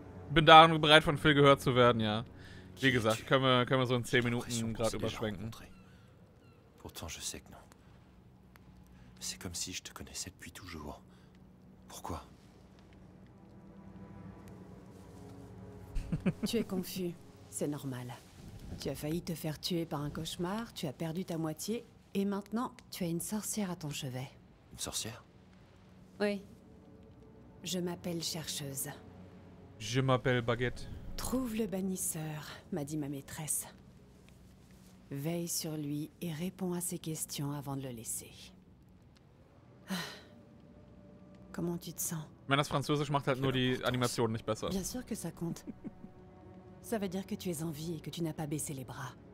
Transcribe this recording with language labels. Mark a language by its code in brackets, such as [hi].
[de] Bin darin bereit, von Phil gehört zu werden, ja. Wie gesagt, können wir so in 10 Minuten gerade überschwenken. [fr] Pourtant, je sais que non. C'est comme si je te connaissais depuis toujours. Pourquoi? Tu es confus, c'est normal. Tu as failli te faire tuer par un cauchemar, tu as perdu ta moitié, et maintenant, tu as une sorcière à ton chevet. Une sorcière? Oui. Je m'appelle Chercheuse. Je m'appelle Baguette. Trouve le bannisseur, m'a dit ma maîtresse. Veille sur lui et réponds à ses questions avant de le laisser. Comment tu te sens? [de] Mais das Französisch macht halt nur die Animation nicht besser. [fr] Bien sûr que ça compte. Ça veut dire que tu es en vie et que tu n'as pas baissé les bras.